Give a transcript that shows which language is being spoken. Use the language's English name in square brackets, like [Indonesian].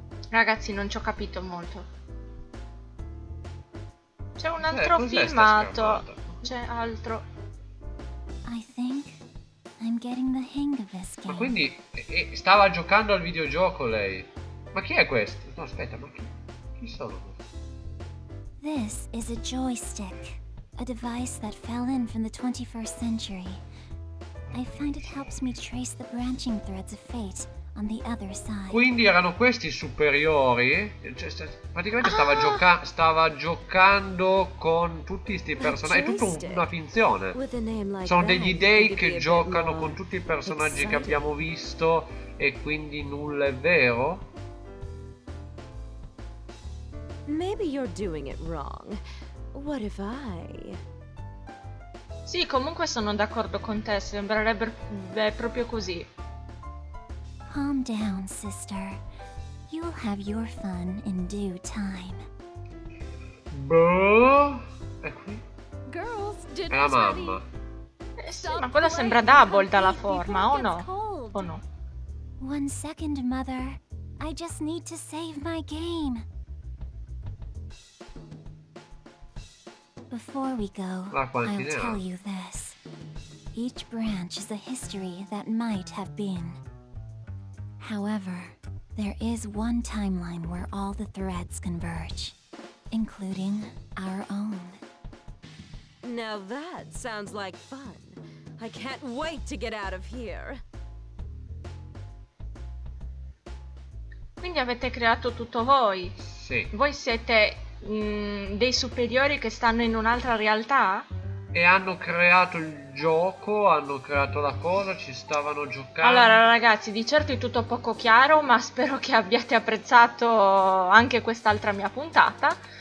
[Italian] Ragazzi, non ci ho capito molto. C'è un altro filmato. C'è altro. [English] I think I'm getting the hang of this game. [Italian] Ma quindi stava giocando al videogioco lei. Ma chi è questo? No, aspetta, ma chi sono? [English] This is a joystick, a device that fell in from the 21st century. I find it helps me trace the branching threads of fate on the other side. [Italian] Quindi erano questi superiori? Cioè, praticamente stava giocando con tutti questi personaggi. È tutta una finzione. Sono degli dei che giocano con tutti i personaggi che abbiamo visto e quindi nulla è vero? [English] Maybe you're doing it wrong. What if I? [Italian] Sì, comunque sono d'accordo con te, sembrerebbe proprio così. [English] Calm down, sister. You'll have your fun in due time. [Italian] Boh, è qui. [English] Girls, [Italian] è la mamma. Sì, ma quella sembra Double dalla forma, o no? O no? [English] One second, mother. I just need to save my game. Before we go, I'll tell you this. Each branch is a history that might have been. However, there is one timeline where all the threads converge, including our own. Now that sounds like fun. I can't wait to get out of here. [Italian] Quindi avete creato tutto voi? Sì. Voi siete dei superiori che stanno in un'altra realtà? E hanno creato il gioco, hanno creato la cosa, ci stavano giocando. Allora ragazzi, di certo è tutto poco chiaro, ma spero che abbiate apprezzato anche quest'altra mia puntata.